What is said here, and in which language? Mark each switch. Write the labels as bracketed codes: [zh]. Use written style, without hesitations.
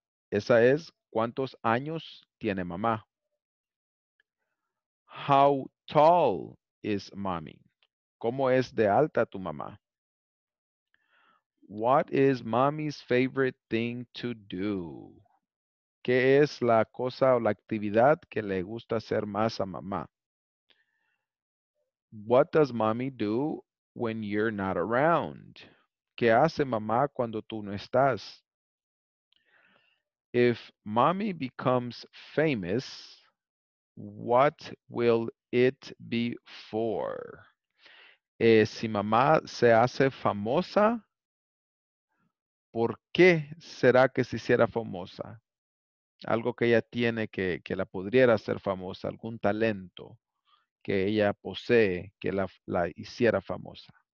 [es] Esa es, ¿cuántos años tiene mamá? [en] How tall is mommy? [es] ¿Cómo es de alta tu mamá? [en] What is mommy's favorite thing to do? [es] ¿Qué es la cosa o la actividad que le gusta hacer más a mamá? [en] What does mommy do when you're not around? [es] ¿Qué hace mamá cuando tú no estás? [en] If mommy becomes famous, what will it be for? [es] Si mamá se hace famosa, ¿por qué será que se hiciera famosa? Algo que ella tiene que la pudiera hacer famosa, algún talento que ella posee que la hiciera famosa.